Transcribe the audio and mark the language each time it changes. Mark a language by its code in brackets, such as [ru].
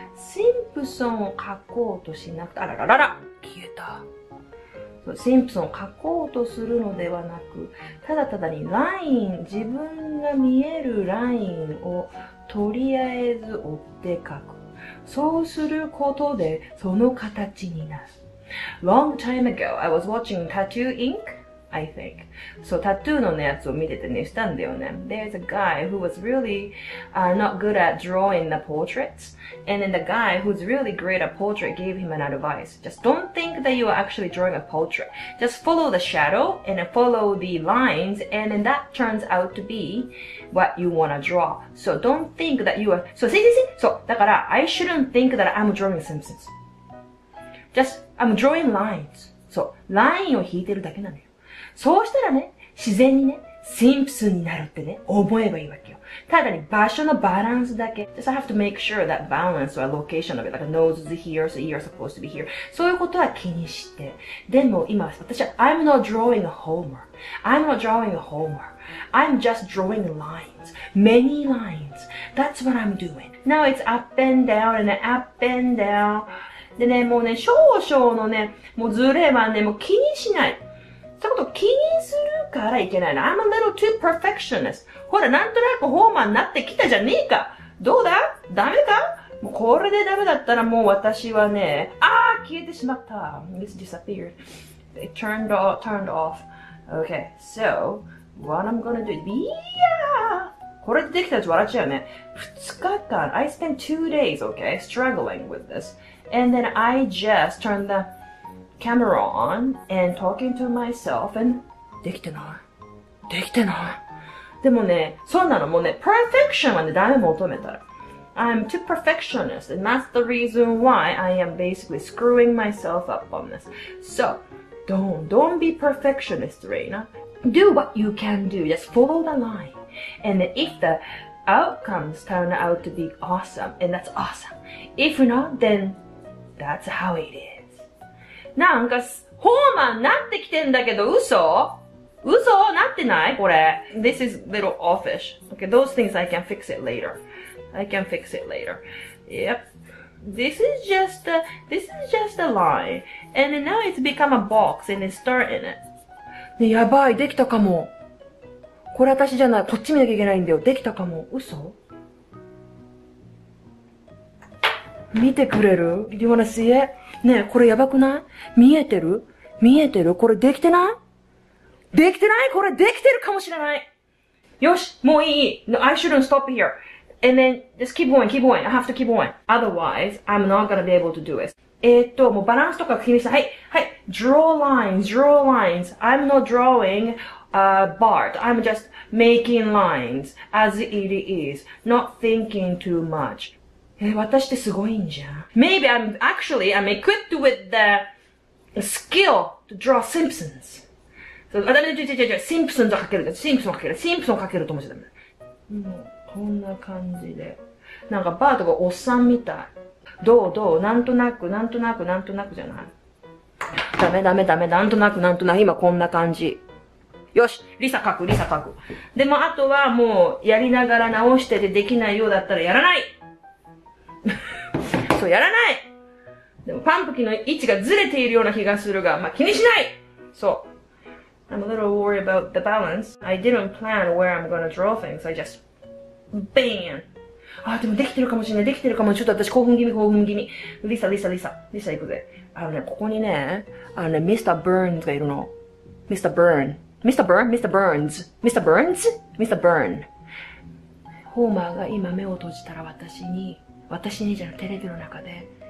[ja] シンプソンを描こうとしなくて、あらららら、消えた。シンプソンを描こうとするのではなく、ただただにライン、自分が見えるラインをとりあえず追って描く。そうすることでその形になる。 [en] Long time ago, I was watching Tattoo Ink, I think. [ja] そう、タトゥーのね、やつを見ててね、したんだよね。 [en] There's a guy who was really, not good at drawing the portraits. And then the guy who's really great at portrait gave him an advice. Just don't think that you are actually drawing a portrait. Just follow the shadow and follow the lines and then that turns out to be what you want to draw. So don't think that you are... So see, see, see? So, だから I shouldn't think that I'm drawing Simpsons. Just, I'm drawing lines. [ja] So, ラインを引いてるだけなのよ。そうしたらね、自然にね、Simpsons になるってね、思えばいいわけよ。ただに場所のバランスだけ。 [en] Just I have to make sure that balance or location of it, like a nose is here, so ears are supposed to be here. [ja] そういうことは気にして。でも今、私は [en] I'm not drawing a Homer. I'm not drawing a Homer. I'm just drawing lines. Many lines. That's what I'm doing. Now it's up and down and up and down. [ja] でね、もうね、少々のね、もうズレはね、もう気にしない。そういうこと気にするからいけないの。 [en] I'm a little too perfectionist. [ja] ほら、なんとなくホーマーになってきたじゃねえか。どうだ?ダメか? もうこれでダメだったらもう私はね、ああ、消えてしまった。 [en] It's disappeared. It turned off. Okay, so, what I'm gonna do is, yeah! [ja] これでできたやつ笑っちゃうよね。 2日間、 [en] I spent 2 days, okay, struggling with this. And then I just turned the... camera on and talking to myself and [ja] できてない。できてない。でもね、そうなのもうね、perfection はね、ダメ求めたら。 [en] I'm too perfectionist and that's the reason why I am basically screwing myself up on this. So, don't be perfectionist, Reina. Do what you can do. Just follow the line. And if the outcomes turn out to be awesome, and that's awesome. If not, then that's how it is. [ja] なんか、ホーマンなってきてんだけど、嘘? 嘘?なってない?これ。 [en] This is little offish. Okay, those things I can fix it later. I can fix it later. Yep. This is just a line. And now it's become a box and it's starting it. [ja] ね、やばい、できたかも。これ私じゃない。こっち見なきゃいけないんだよ。できたかも。嘘? 見てくれる? [en] Do you wanna see it? [ja] ねえ、これやばくない?見えてる?見えてる? これできてない?できてない? これできてるかもしれない! よし!もういい ! [en] No, I shouldn't stop here. And then, just keep going, keep going. I have to keep going. Otherwise, I'm not gonna be able to do it. [ja] もうバランスとか気にして、はい、はい。 [en] Draw lines, draw lines. I'm not drawing Bart, I'm just making lines as it is, not thinking too much. [ja] え、私ってすごいんじゃん。 [en] Maybe I'm actually, I'm equipped with the skill to draw Simpsons. [ja] そう、違う、Simpsons を描ける、Simpsons を描けると思ってた。もう、こんな感じで。なんか、バートがおっさんみたい。どうどう、なんとなくじゃない。ダメ、なんとなく、今こんな感じ。よし、リサ描く。でも、あとはもう、やりながら直しててできないようだったらやらない。そう、やらない。でも、パンプキンの位置がずれているような気がするが、まあ、気にしない。そう。 [en] I'm a little worried about the balance. I didn't plan where I'm gonna draw things. I just... BAM! [ja] あ、でもできてるかもしれない。できてるかもしれない。ちょっと私興奮気味。リサ。リサ行くぜ。あのね、ここにね、あのね、Mr. Burns がいるの。Mr. Burn? ホーマーが今目を閉じたら私にじゃなくてテレビの中で、